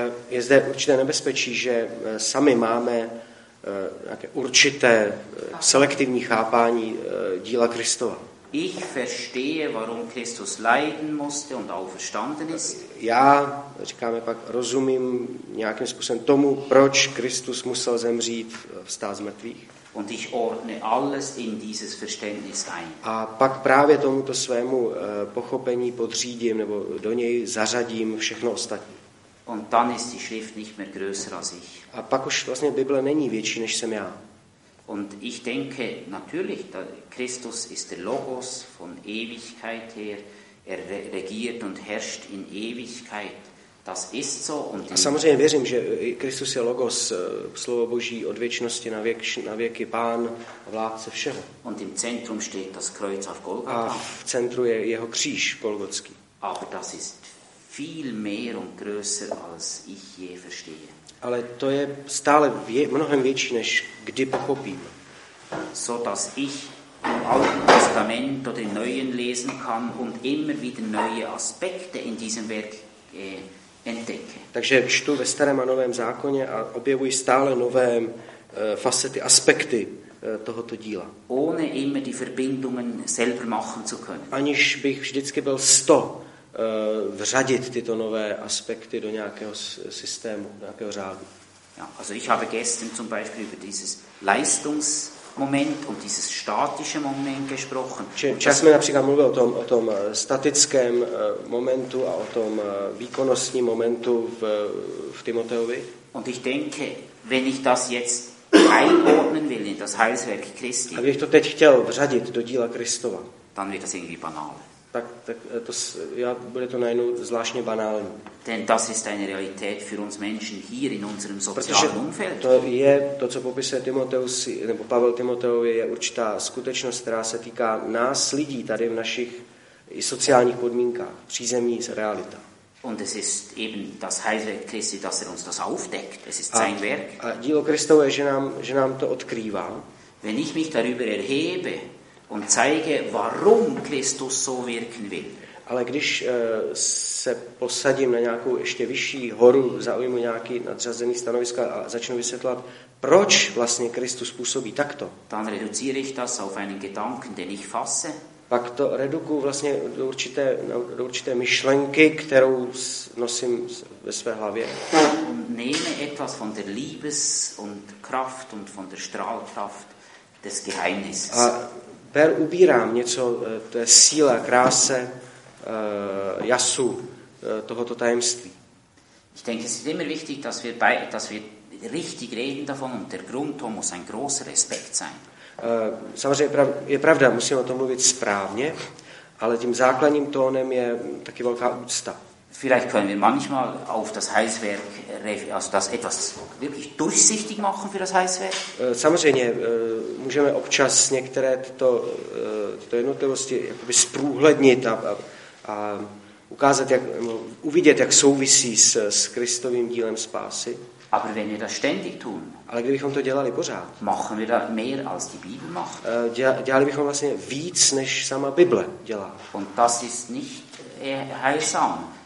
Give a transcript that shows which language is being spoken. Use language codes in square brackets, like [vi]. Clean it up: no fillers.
[cs] Je zde určité nebezpečí, že sami máme nějaké určité selektivní chápání díla Kristova. [de] Ich verstehe, warum Christus leiden musste und auferstanden ist. [cs] Já, říkáme pak, rozumím nějakým způsobem tomu, proč Kristus musel zemřít, vstát z mrtvých. [de] Und ich ordne alles in dieses Verständnis ein. [cs] A pak právě tomuto svému pochopení podřídím nebo do něj zařadím všechno ostatní. [de] Und dann ist die Schrift nicht mehr größer als ich. [cs] A pak už vlastně Bible není větší než jsem já. [de] Und ich denke natürlich, Christus ist der Logos von Ewigkeit her, er regiert und herrscht in Ewigkeit. Das ist so und [cs] a samozřejmě věřím, že Kristus je Logos, slovo Boží od věčnosti na věky Pán a vládce všeho. [de] Und im Zentrum steht das Kreuz auf Golgatha. [cs] A v centru je jeho kříž golgotský. [de] Aber das ist viel mehr und größer als ich je verstehe. [cs] Ale to je stále mnohem větší, než kdy pochopím. [de] So dass ich im Alten Testament oder im Neuen lesen kann und immer wieder neue Aspekte in diesem Werk entdecke. [cs] Takže čtu ve Starém a Novém zákoně a objevuji stále nové facety, aspekty tohoto díla. [de] Ohne immer die Verbindungen selber machen zu können. [cs] Aniž bych vždycky byl sto vřadit tyto nové aspekty do nějakého systému, do nějakého řádu. [de] Ja, also ich habe gestern zum Beispiel über dieses Leistungsmoment und dieses statische Moment gesprochen. [cs] Včas jsme například mluvil o tom statickém momentu a o tom výkonnostním momentu v Timoteovi. [de] Und ich denke, wenn ich das jetzt einordnen will in das Heilswerk Christi. [cs] A kdybych to teď chtěl vřadit do díla Kristova. [de] Dann wird das irgendwie banal. [cs] Tak bude to najednou zvláštně banální. [de] Denn das ist eine Realität für uns Menschen hier in unserem sozialen Umfeld. [cs] To je to, co popisuje Timoteus, nebo Pavel Timoteovi, je určitá skutečnost, která se týká nás lidí tady v našich i sociálních podmínkách, přízemní realita. [de] Und es ist eben das Heilige Christi, dass er uns das aufdeckt. Es ist sein Werk. [cs] A dílo Kristovo je, že nám to odkrývá. [de] Wenn ich mich darüber erhebe, und zeige, warum Christus so wirken will. [cs] Ale když se posadím na nějakou ještě vyšší horu, zaujmu nějaký nadřazený stanovisko a začnu vysvětlat, proč vlastně Kristus působí takto. [de] Dann reduziere ich das auf einen Gedanken, den ich fasse. [cs] Pak to redukuju vlastně do určité myšlenky, kterou nosím ve své hlavě. [de] Und nehme etwas von der Liebes- und Kraft und von der Strahlkraft des Geheimnisses. [cs] A ubírám něco té síle, kráse, jasu tohoto tajemství. [de] Ich denke, es ist immer wichtig, dass wir richtig reden davon und der Grundton muss ein großer Respekt sein. [cs] Samozřejmě je pravda, musíme o tom mluvit správně, ale tím základním tónem je taky velká úcta. [de] Vielleicht können wir manchmal auf das Heilswerk, also das etwas wirklich durchsichtig machen für das Heilswerk. [cs] Samozřejmě můžeme občas některé tyto jednotlivosti jakoby zprůhlednit a ukázat, jak, uvidět, jak souvisí s Kristovým dílem spásy. [de] Aber wenn wir das ständig tun, [cs] ale kdybychom to dělali pořád, [de] machen wir da mehr als die Bibel macht. [cs] Dělali bychom vlastně víc, než sama Bible dělá. [de] Und das ist nicht heilsam.